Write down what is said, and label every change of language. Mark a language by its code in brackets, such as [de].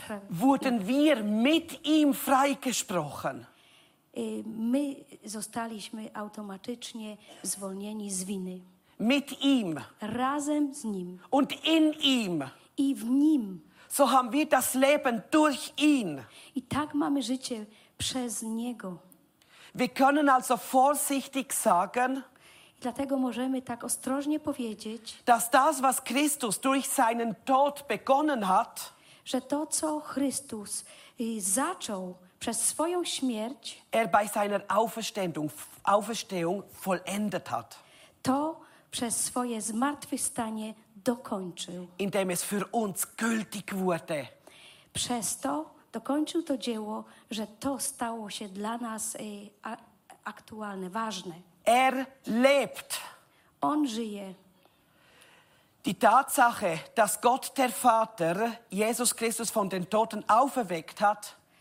[de] wurden wir mit ihm freigesprochen. [pl] My zostaliśmy automatycznie zwolnieni z winy. [de] Mit ihm. [pl] Razem z nim. [de] Und in ihm. [pl] I w nim. [de] So haben wir das Leben durch ihn. [pl] I tak mamy życie przez niego. [de] Wir können also vorsichtig sagen, [pl] i dlatego możemy tak ostrożnie powiedzieć, [de] dass das, was Christus durch seinen Tod begonnen hat, [pl] że to, co Chrystus zaczął przez swoją śmierć, [de] bei seiner Auferstehung vollendet hat. [pl] To przez swoje zmartwychwstanie dokończył. [de] Indem es für uns gültig wurde. [pl] Przez to dokończył to dzieło, że to stało się dla nas aktualne, ważne. [de] Lebt. [pl] On żyje. [de] Die Tatsache, dass Gott der Vater Jesus Christus von den Toten auferweckt hat.